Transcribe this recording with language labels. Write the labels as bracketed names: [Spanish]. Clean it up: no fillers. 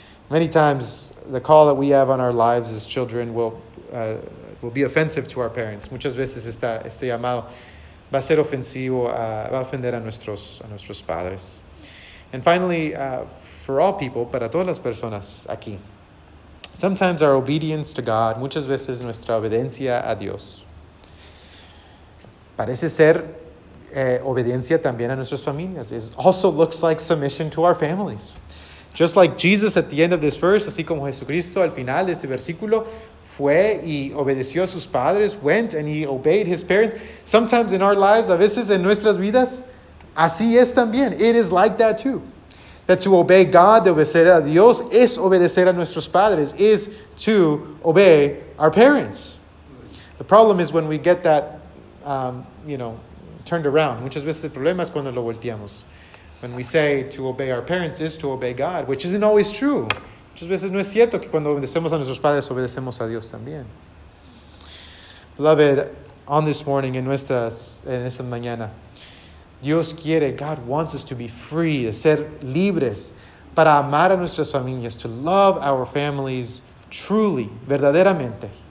[English] Many times, the call that we have on our lives as children will be offensive to our parents. [Spanish] Muchas veces este llamado va a ser ofensivo, va a ofender a nuestros padres. [English] And finally, for all people, [Spanish] para todas las personas aquí, [English] sometimes our obedience to God, [Spanish] muchas veces nuestra obediencia a Dios, parece ser obediencia también a nuestras familias. [English] It also looks like submission to our families. Just like Jesus at the end of this verse, [Spanish] así como Jesucristo al final de este versículo, fue y obedeció a sus padres, [English] went and he obeyed his parents. Sometimes in our lives, [Spanish] a veces en nuestras vidas, así es también. [English] It is like that too. That to obey God, [Spanish] de obedecer a Dios, es obedecer a nuestros padres, [English] is to obey our parents. The problem is when we get that, turned around. [Spanish] Muchas veces el problema es cuando lo volteamos. [English] When we say to obey our parents is to obey God, which isn't always true. [Spanish] Muchas veces no es cierto que cuando obedecemos a nuestros padres, obedecemos a Dios también. [English] Beloved, on this morning, [Spanish] en esta mañana, Dios quiere, [English] God wants us to be free, [Spanish] de ser libres, para amar a nuestras familias, [English] to love our families truly, [Spanish] verdaderamente.